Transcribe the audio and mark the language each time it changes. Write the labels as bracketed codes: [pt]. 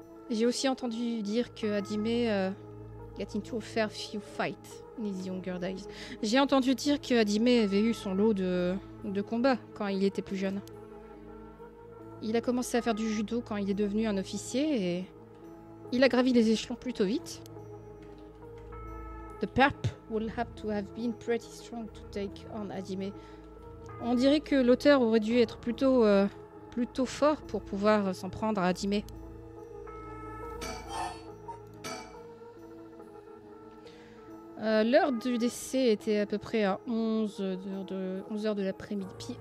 [fr] J'ai aussi entendu dire que Adime [en] got into a fair few fights in his younger days. [fr] J'ai entendu dire que Adime avait eu son lot de combats quand il était plus jeune. Il a commencé à faire du judo quand il est devenu un officier et il a gravi les échelons plutôt vite. [en] The perp will have to have been pretty strong to take on Adime. [fr] On dirait que l'auteur aurait dû être plutôt fort pour pouvoir s'en prendre à Adime. L'heure du décès était à peu près à 11h de l'après-midi.